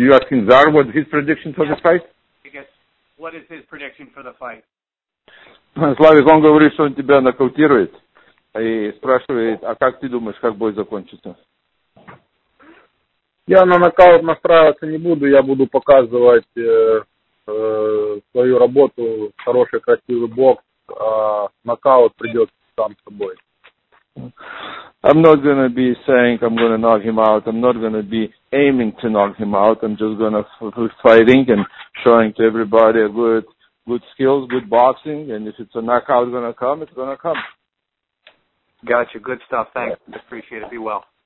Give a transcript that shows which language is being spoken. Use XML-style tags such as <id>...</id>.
<en>You asking Czar what his prediction for this fight? I guess, what is his prediction for the fight?</en> <ru>Славик, он говорит, что он тебя нокаутирует и спрашивает, а как ты думаешь, как бой закончится? Я на нокаут настраиваться не буду, я буду показывать свою работу, хороший, красивый бокс, а нокаут придет сам с собой.</ru> <en>I'm not going to be saying I'm going to knock him out, I'm not going to be aiming to knock him out, I'm just going to fighting and showing to everybody a good skills, good boxing, and if it's a knockout going to come, it's going to come. Gotcha. Good stuff. Thanks. Appreciate it. Be well.</en>